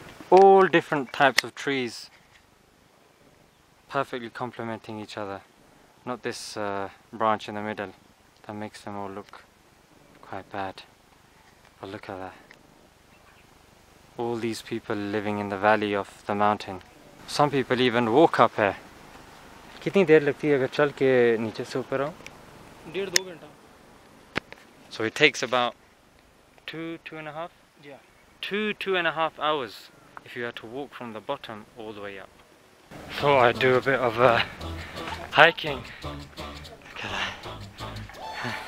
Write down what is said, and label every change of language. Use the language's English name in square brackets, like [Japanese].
[English] All different types of trees, perfectly complementing each other. Not this branch in the middle, that makes them all look quite bad. But look at that. All these people living in the valley of the mountain. Some people even walk up here. [Hindi] कितनी देर लगती है अगर चल के नीचे से ऊपर आऊँ? डेढ़ दो घंटा. [English] So it takes about two and a half hours. If you had to walk from the bottom all the way up. Thought I'd do a bit of hiking. Look at that.